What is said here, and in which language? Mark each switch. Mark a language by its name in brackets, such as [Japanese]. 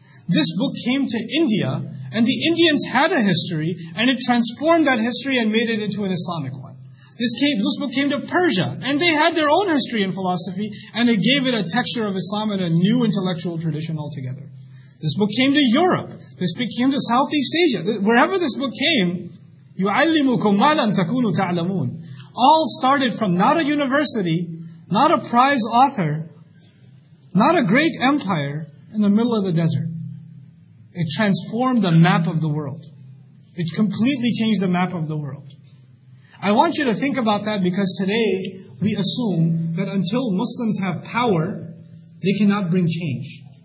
[English] This book came to India, and the Indians had a history, and it transformed that history and made it into an Islamic one. This book came to Persia, and they had their own history and philosophy, and it gave it a texture of Islam and a new intellectual tradition altogether. This book came to Europe. This book came to Southeast Asia. Wherever this book came, [Arabic] يُعَلِّمُكُمْ مَا لَمْ تَكُونُوا تَعْلَمُونَ. [English] All started from not a university, not a prize author, not a great empire, in the middle of the desert. It transformed the map of the world. It completely changed the map of the world. I want you to think about that, because today we assume that until Muslims have power, they cannot bring change.